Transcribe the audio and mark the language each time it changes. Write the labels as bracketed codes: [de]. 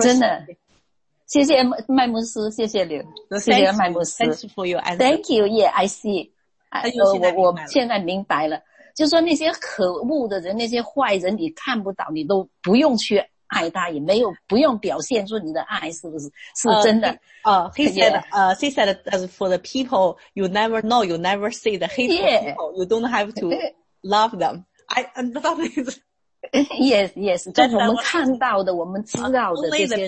[zh] 真的。谢谢麦牧师，谢谢刘。谢谢麦牧师。 [en] Thanks for your answer. Thank you, yeah, I see. [zh] 我现在明白了，就说那些可恶的人，那些坏人，你看不到，你都不用去爱他，也没有不用表现出你的爱，是不是？是真的。 [en] He said, for the people you never know, you never see the hateful people, you don't have to love them. I understand. Yes, yes. [zh] 就是我们看到的，我们知道的这些。